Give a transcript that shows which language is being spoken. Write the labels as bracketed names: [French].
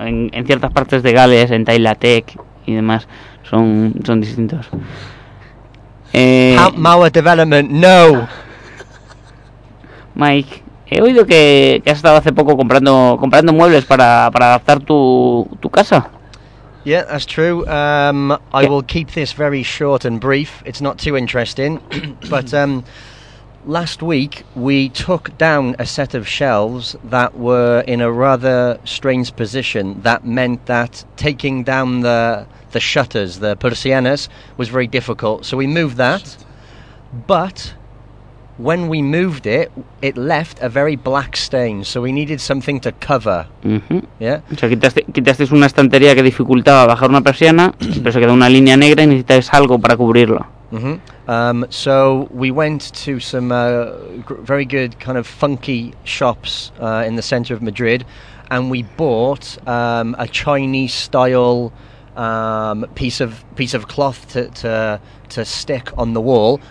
[Spanish] En ciertas partes de Gales, en Tailatec y demás, son distintos. [English] Power development, no. [Spanish] Mike, he oído que has estado hace poco comprando muebles para adaptar tu casa. [English] Yeah, that's true. I will keep this very short and brief. It's not too interesting. But last week, we took down a set of shelves that were in a rather strange position. That meant that taking down the shutters, the persianas, was very difficult. So we moved that. But when we moved it, it left a very black stain, so we needed something to cover. Mm-hmm. Yeah. [Spanish] O sea, quitaste una estantería que dificultaba bajar una persiana, pero se quedó una línea negra y necesitabas algo para cubrirlo. Mm-hmm. [English] So we went to some very good kind of funky shops in the center of Madrid, and we bought a Chinese style piece of cloth to stick on the wall.